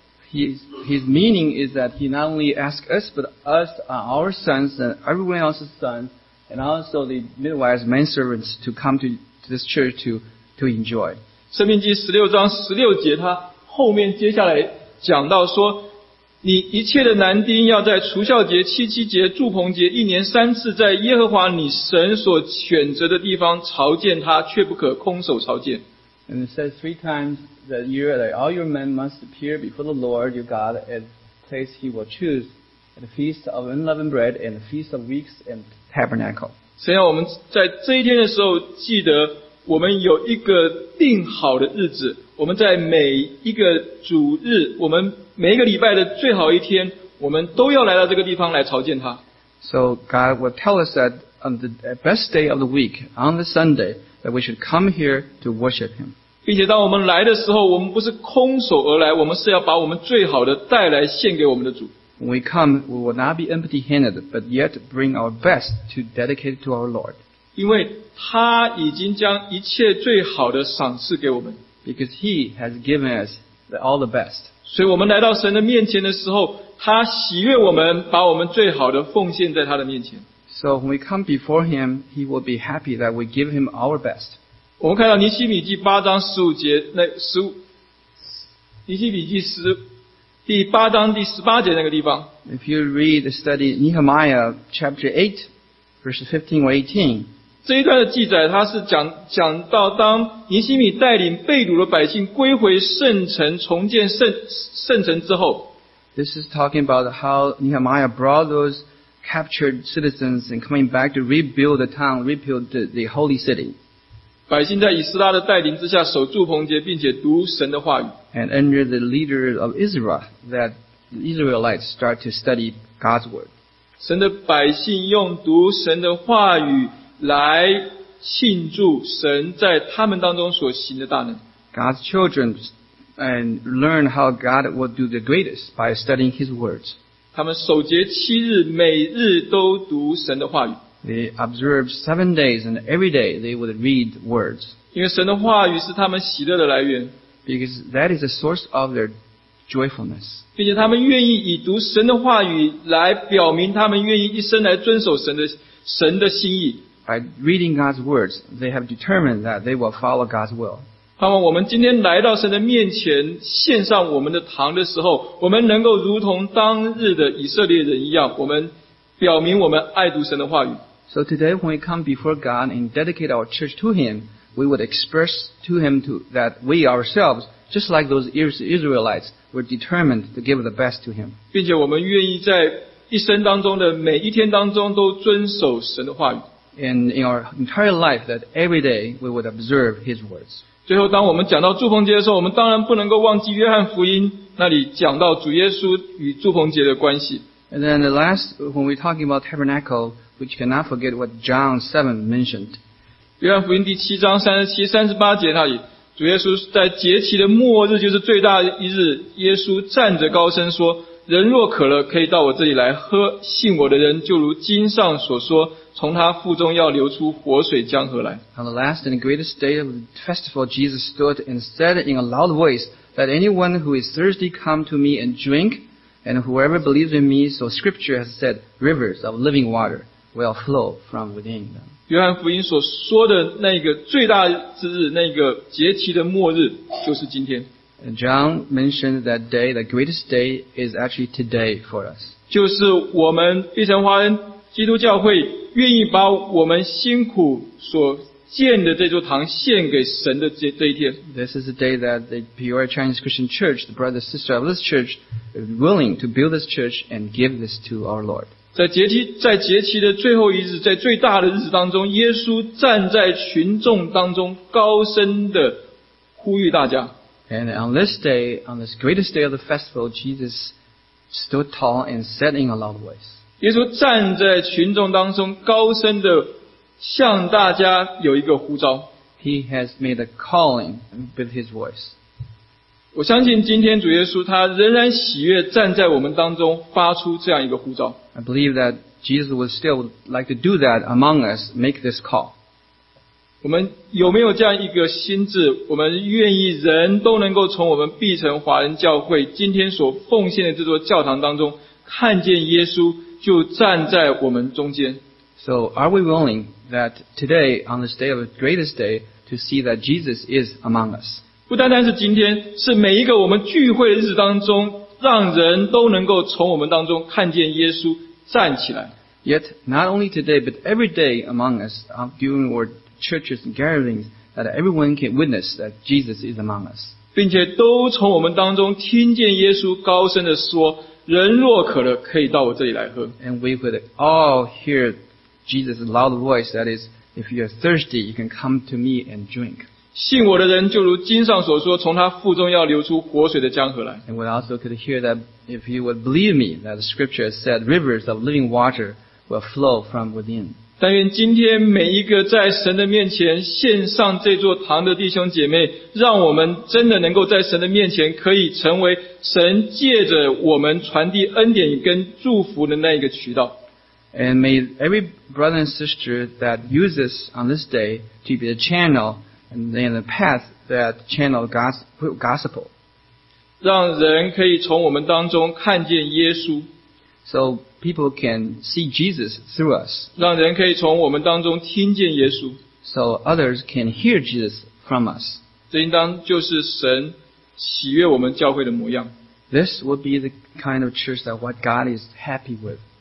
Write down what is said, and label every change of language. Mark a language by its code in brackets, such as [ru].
[en] His meaning is that he not only asks us, but us, our sons, and everyone else's sons, and also the midwives, manservants, to come to this church to enjoy. [zh] 生命记十六章十六节他后面接下来讲到说，你一切的男丁要在除酵节、七七节、祝棚节一年三次，在耶和华你神所选择的地方朝见他，却不可空手朝见。 [en] And it says three times that year that all your men must appear before the Lord your God at the place he will choose, at the feast of unleavened bread and the feast of weeks and tabernacle. [zh] 神要我们在这一天的时候记得，我们有一个定好的日子。我们在每一个主日，我们每一个礼拜的最好一天，我们都要来到这个地方来朝见他。 [en] So God will tell us that on the best day of the week, on the Sunday, that we should come here to worship Him. [zh] 并且当我们来的时候，我们不是空手而来，我们是要把我们最好的带来献给我们的主。 [en] When we come, we will not be empty-handed, but yet bring our best to dedicate to our Lord. [zh] 因为他已经将一切最好的赏赐给我们。 [en] Because he has given us all the best. [zh] 所以我们来到神的面前的时候，他喜悦我们，把我们最好的奉献在他的面前。 [en] So when we come before him, he will be happy that we give him our best. [zh] 我们看到尼希米记八章十五节那十五，尼希米记十第八章第十八节那个地方。 [en] If you read the study Nehemiah chapter 8, verses 15 or 18. [zh] 这一段的记载，它是讲到当尼希米带领被掳的百姓归回圣城，重建圣城之后。 [en] This is talking about how Nehemiah brought those captured citizens and coming back to rebuild the town, rebuild the holy city. [zh] 百姓在以斯拉的带领之下守住棚节，并且读神的话语。 [en] And under the leader of Israel, that Israelites start to study God's word. [zh] 神的百姓用读神的话语。来庆祝神在他们当中所行的大能。 [en] God's children and learn how God will do the greatest by studying His words. [zh] 他们守节七日，每日都读神的话语。 [en] They observe 7 days and every day they would read words. [zh] 因为神的话语是他们喜乐的来源。 [en] Because that is the source of their joyfulness. [zh] 并且他们愿意以读神的话语来表明他们愿意一生来遵守神的心意。 [en] By reading God's words, they have determined that they will follow God's will. [zh] 盼望我们今天来到神的面前，献上我们的堂的时候，我们能够如同当日的以色列人一样，我们表明我们爱读神的话语。 [en] So today, when we come before God and dedicate our church to Him, we would express to Him that we ourselves, just like those Israelites, were determined to give the best to Him. [zh] 并且我们愿意在一生当中的每一天当中都遵守神的话语。 [en] And in our entire life, that every day we would observe His words. [zh] 最后，当我们讲到祝棚节的时候，我们当然不能够忘记约翰福音那里讲到主耶稣与祝棚节的关系。 [en] And then the last, when we're talking about tabernacle, we cannot forget what John 7 mentioned. [zh] 约翰福音第七章三十七、三十八节那里，主耶稣在节期的末日，就是最大一日，耶稣站着高声说，人若渴了，可以到我这里来喝，信我的人，就如经上所说，从他腹中要流出活水江河来。 [en] On the last and greatest day of the festival, Jesus stood and said in a loud voice, Let anyone who is thirsty come to me and drink, and whoever believes in me, so scripture has said, rivers of living water will flow from within them. [zh] 约翰福音所说的那个最大之日，那个节期的末日，就是今天。 [en] And John mentioned that day, the greatest day is actually today for us. [zh] 就是我们必胜花恩基督教会愿意把我们辛苦所建的这座堂献给神的 这一天。 [en] This is the day that the Peoria Chinese Christian Church, the brother sister of this church, is willing to build this church and give this to our Lord. [zh] 在节期的最后一日，在最大的日子当中，耶稣站在群众当中高声的呼吁大家。 [en] And on this day, on this greatest day of the festival, Jesus stood tall and said in a loud voice. [zh] 耶稣站在群众当中高声的向大家有一个呼召。 [en] He has made a calling with his voice. [zh] 我相信今天主耶稣他仍然喜悦站在我们当中发出这样一个呼召。 [en] I believe that Jesus would still like to do that among us, make this call. [zh] 我们有没有这样一个心智，我们愿意人都能够从我们毕城华人教会今天所奉献的这座教堂当中看见耶稣就站在我们中间。 [en] So are we willing that today on this day of the greatest day to see that Jesus is among us? [zh] 不单单是今天，是每一个我们聚会的日子当中让人都能够从我们当中看见耶稣站起来。 [en] Yet not only today but every day among us during our churches and gatherings that everyone can witness that Jesus is among us. [zh] 并且都从我们当中听见耶稣高声地说，人若渴了，可以到我这里来喝。 [en] And we could all hear Jesus' loud voice, that is, if you are thirsty, you can come to me and drink. [zh] 信我的人就如经上所说，从他腹中要流出活水的江河来。 [en] And we also could hear that if you would believe me, that the scripture said rivers of living water will flow from within. [zh] 但愿今天每一个在神的面前献上这座堂的弟兄姐妹，让我们真的能够在神的面前可以成为神借着我们传递恩典跟祝福的那一个渠道。 [en] And may every brother and sister that uses on this day to be the channel and in the path that channel gospel [zh] 让人可以从我们当中看见耶稣。 [en] SoPeople can see Jesus through us. [zh] 让人可以从我们当中听见耶稣。 [en] So others can hear Jesus from us. [zh] 这应当就是神喜悦我们教会的模样。 [en] This would be the kind of church that what God is happy with.